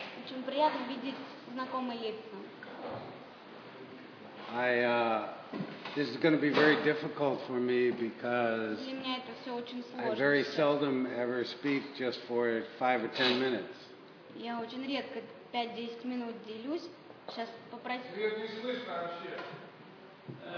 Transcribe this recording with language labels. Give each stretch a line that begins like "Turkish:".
Russian: Очень приятно видеть знакомые лица.
English: This is going to be very difficult for me because I very seldom ever speak just for 5 or 10 minutes.
Russian: Я очень редко 5-10 минут делюсь. Сейчас попросить. Привет, не слышно вообще.